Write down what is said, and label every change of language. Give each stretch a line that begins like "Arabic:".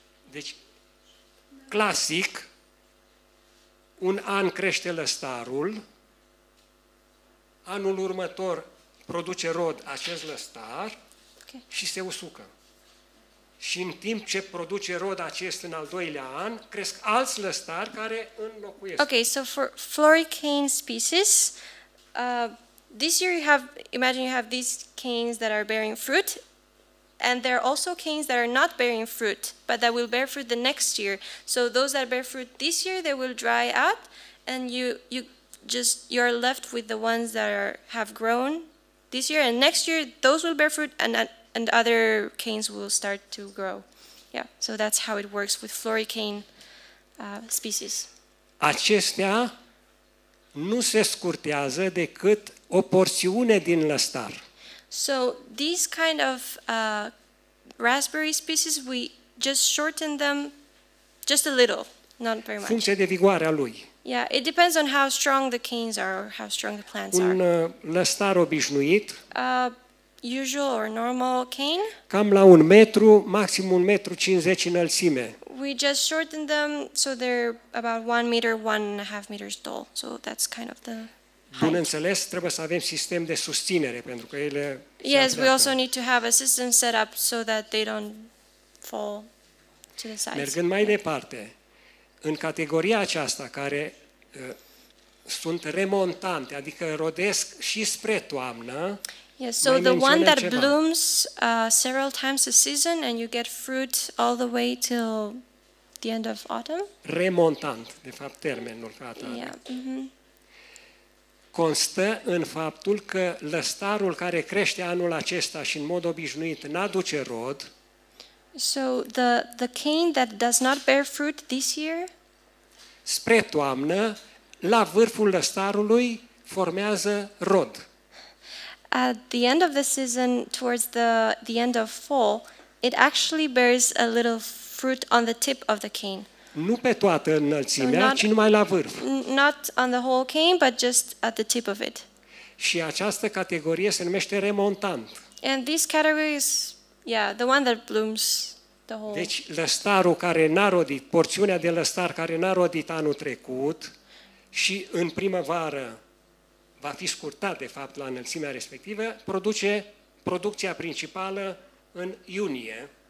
Romanian: Deci, clasic, un an crește lăstarul, anul următor produce rod acest lăstar și se usucă. Și în timp ce produce rod acest în al doilea an, cresc alți lăstari care înlocuiesc.
English: Ok, so for floricane species, this year you have, imagine you have these canes that are bearing fruit, and there are also canes that are not bearing fruit, but that will bear fruit the next year. So those that bear fruit this year, they will dry out, and you're left with the ones that are, have grown this year, and next year those will bear fruit, and other canes will start to grow. Yeah, so that's how it works with floricane species.
Romanian: Acestea nu se scurtează decât o porțiune din lăstar.
English: So these kind of raspberry species, we just shorten them just a little, not very much.
Romanian: Funcție de vigoare a lui.
English: Yeah, it depends on how strong the canes are or how strong the plants
Romanian: are. Un lăstar obișnuit.
English: Usual or normal cane.
Romanian: Cam la un metru, maxim 1,50 m înălțime.
English: We just shorten them so they're about 1 meter, 1.5 meters tall. So that's kind of the height.
Romanian: Bineînțeles, trebuie să avem sistem de susținere pentru că ele...
English: Yes, we also need to have a system set up so that they don't fall to the sides.
Romanian: Mergând mai departe, în categoria aceasta care sunt remontante, adică rodesc și spre toamnă.
English: Yes, so the one that blooms several times a season and you get fruit all the way till the end of autumn.
Romanian: Remontant, de fapt, termenul cata.
English: Yeah. Mm-hmm.
Romanian: Constă în faptul că lăstarul care crește anul acesta și în mod obișnuit n-aduce rod.
English: So the cane that does not bear fruit this year.
Romanian: Spre toamnă, la vârful lăstarului formează rod.
English: At the end of the season, towards the end of fall, it actually bears a little fruit on the tip of the cane.
Romanian: Nu pe toată înălțimea, ci numai la vârf.
English: Not on the whole cane, but just at the tip of it.
Romanian: Și această categorie se numește remontant.
English: And this category is, yeah, the one that blooms the whole...
Romanian: Deci lăstarul care n-a rodit, porțiunea de lăstar care n-a rodit anul trecut și în primăvară va fi scurtat, de fapt, la înălțimea respectivă, produce producția principală în iunie.